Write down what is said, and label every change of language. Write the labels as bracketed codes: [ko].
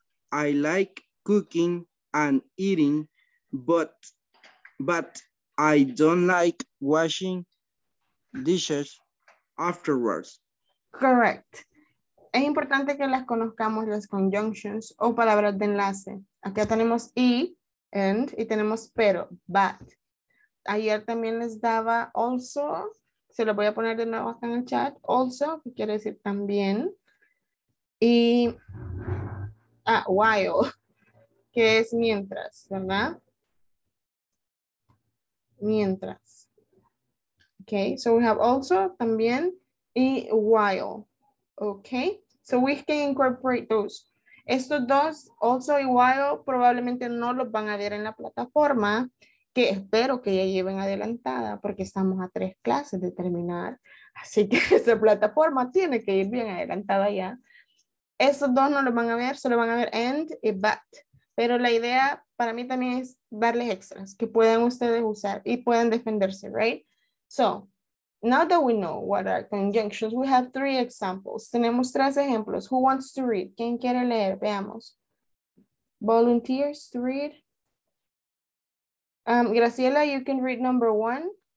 [en] I like cooking and eating, but I don't like washing dishes afterwards. Correct. [es] Es importante que las conozcamos, las conjunctions o palabras de enlace. Acá tenemos y, and, y tenemos pero, but. Ayer también les daba also. Se lo voy a poner de nuevo acá en el chat. Also, que quiere decir también. Y, while, que es mientras, ¿verdad? [en] Mientras. Okay, so we have also, también, y while. Okay, so we can incorporate those. [es] Estos dos, also y while, probablemente no los van a ver en la plataforma, que espero que ya lleven adelantada porque estamos a 3 clases de terminar, así que esa plataforma tiene que ir bien adelantada ya. Esos dos no los van a ver, solo van a ver and y but, Pero la idea para mí también es darles extras que puedan ustedes usar y puedan defenderse, right? [en] So, now that we know what are conjunctions, we have three examples. [es] Tenemos tres ejemplos. [en] Who wants to read? [es] ¿Quién quiere leer? Veamos. [en] Volunteers to read. Graciela, you can read number one.